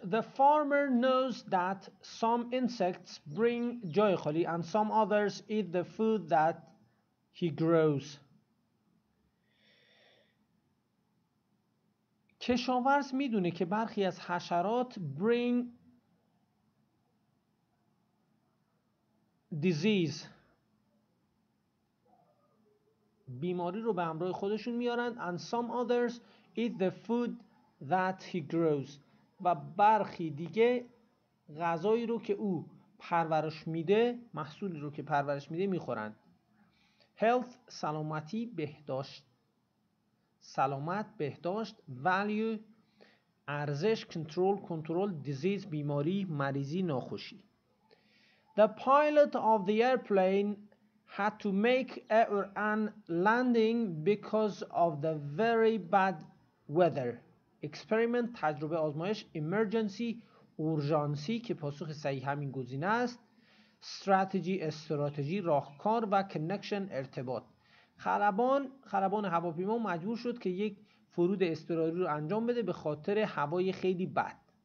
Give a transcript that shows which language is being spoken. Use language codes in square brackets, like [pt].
[en] The farmer knows that some insects bring joy خالی and some others eat the food that he grows. [fa] کشاورز میدونه که برخی از حشرات bring disease، بیماری رو به همراه خودشون میارن. And some others eat the food that he grows، و برخی دیگه غذایی رو که او پرورش میده، محصولی رو که پرورش میده میخورن. Health سلامتی، بهداشت، سلامت، بهداشت. Value ارزش، control، control disease بیماری، مریضی، ناخوشی. [en] The pilot of the airplane had to make an landing because of the very bad weather. [fa] Experiment تجربه آزمایش، emergency اورژانسی که پاسخ صحیح همین گزینه است. استراتژی، استراتژی، راهکار و کنکشن، ارتباط. خلبان هواپیما مجبور شد که یک فرود اضطراری رو انجام بده به خاطر هوای خیلی بد.